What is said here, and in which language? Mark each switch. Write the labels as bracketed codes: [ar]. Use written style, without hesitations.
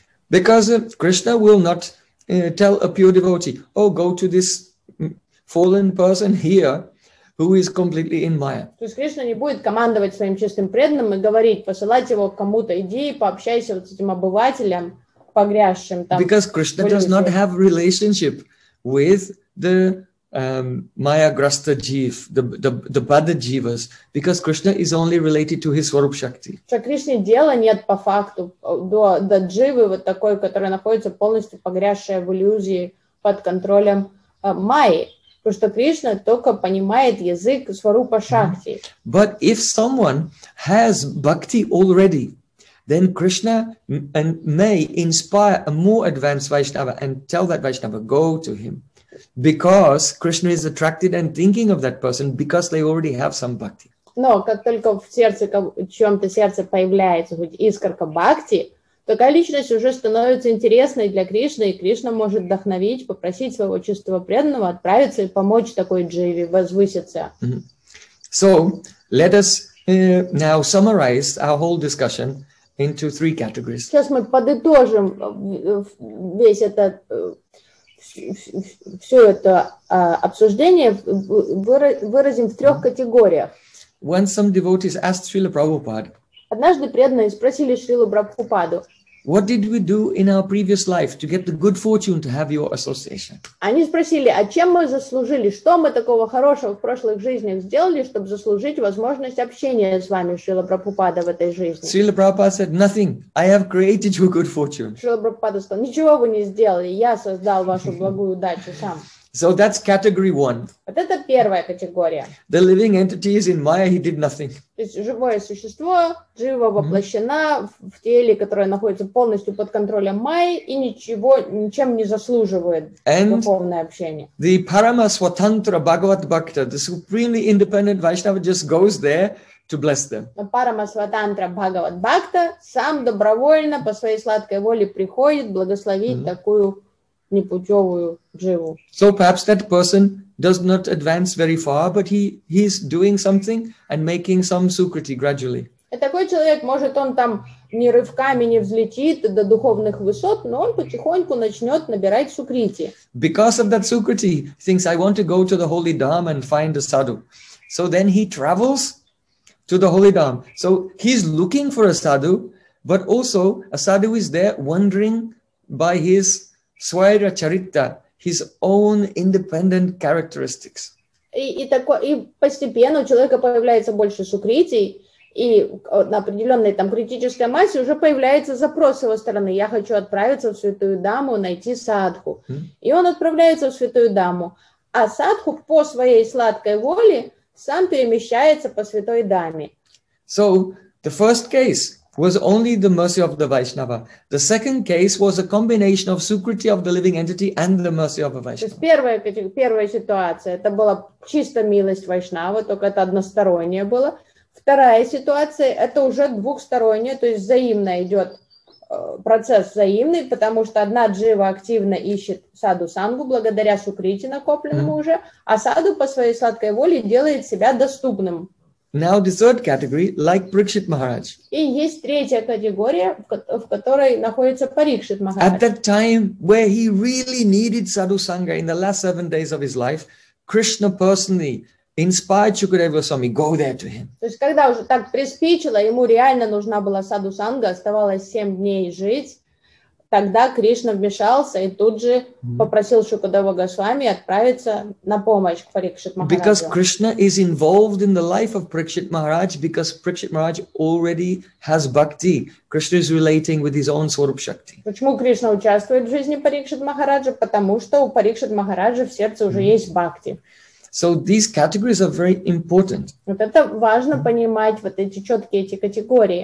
[en] Because Krishna will not tell a pure devotee, oh, go to this fallen person here who is completely in Maya. [ru] То есть Кришна не будет командовать своим чистым преданным и говорить, посылать его кому-то, иди и пообщайся вот с этим обывателем, погрязшим там. [en] Because Krishna does not have relationship with the Maya Grasta Jeev, the Bada Jeevas, because Krishna is only related to his Swarup Shakti. [ru] Что Кришне дела нет по факту до Дживы вот такой, которая находится полностью погрязшая в иллюзии под контролем Майи. Потому что Кришна только понимает язык Сварупа Шакти. [en] But if someone has bhakti already, then Krishna and may inspire a more advanced Vaishnava and tell that Vaishnava, go to him. Because Krishna is attracted and thinking of that person because they already have some bhakti. [ru] Но как только в сердце, в чьем-то сердце появляется хоть искорка бхакти, такая личность уже становится интересной для Кришны, и Кришна может вдохновить, попросить своего чистого преданного отправиться и помочь такой дживе возвыситься. [en] So, let us now summarize our whole discussion into three categories. [ru] Сейчас мы подытожим весь этот все это обсуждение, выразим в трех категориях. [en] When some devotees asked Srila Prabhupada, [ru] однажды преданные спросили Шрилу Прабхупаду, [en] what did we do in our previous life to get the good fortune to have your association? [ru] Они спросили, а чем мы заслужили? Что мы такого хорошего в прошлых жизнях сделали, чтобы заслужить возможность общения с вами, Шрила Прабхупада, в этой жизни? [en] Srila Prabhupada said, nothing. I have created your good fortune. [ru] Шрила Прабхупада сказал, ничего вы не сделали. Я создал вашу благую удачу сам. [en] So that's category one. [ru] Вот это первая категория. [en] The living entity is in Maya, he did nothing. [ru] То есть живое существо, живо воплощено в теле, которое находится полностью под контролем Майи и ничего, ничем не заслуживает духовное общение. [en] The Parama Swatantra Bhagavat Bhakta, the supremely independent Vaishnava just goes there to bless them. [ru] Парама Сватантра Бхагават Бхакта сам добровольно по своей сладкой воле приходит благословить такую непутевую дживу. [en] So perhaps that person does not advance very far, but he is doing something and making some sukriti gradually. [ru] И такой человек, может, он там не рывками не взлетит до духовных высот, но он потихоньку начнет набирать сукрити. [en] Because of that sukriti, he thinks, I want to go to the holy dharma and find a sadhu. So then he travels to the holy dharma. So he's looking for a sadhu, but also a sadhu is there wandering by his Свайра Чаритта, his own independent characteristics. [ru] И постепенно у человека появляется больше сукритий, и на определенной там критической массе уже появляется запрос с его стороны. Я хочу отправиться в Святую Даму, найти садху. И он отправляется в Святую Даму. А садху по своей сладкой воле сам перемещается по Святой Даме. [en] So, the first case, was only the mercy of the Vaishnava. The second case was a combination of Sukriti of the living entity and the mercy of a Vaishnava. [ru] Первая ситуация, это была чисто милость Вайшнава, только это одностороннее было. Вторая ситуация, это уже двухсторонняя, то есть взаимно идет процесс взаимный, потому что одна джива активно ищет саду сангу благодаря сукрити накопленному mm-hmm. уже, а саду по своей сладкой воле делает себя доступным. [en] Now the third category, like Parikshit Maharaj. [ru] И есть третья категория, в которой находится Парикшит Махарадж. [en] At that time, where he really needed Sadhu Sangha in the last seven days of his life, Krishna personally inspired Shukadeva Goswami, go there to him. [ru] То есть, когда уже так приспичило, ему реально нужна была Sadhu Sangha, оставалось семь дней жить, тогда Кришна вмешался и тут же попросил Шукадева Госвами отправиться на помощь к Парикшит Махараджу. [en] Because Krishna is involved in the life of Parikshit Maharaj, because Parikshit Maharaj already has bhakti. Krishna is relating with his own Swarup Shakti. [ru] Почему Кришна участвует в жизни Парикшит Махараджа? Потому что у Парикшит Махараджа в сердце уже есть бхакти. [en] So these categories are very important. [ru] Вот это важно понимать, вот эти четкие эти категории.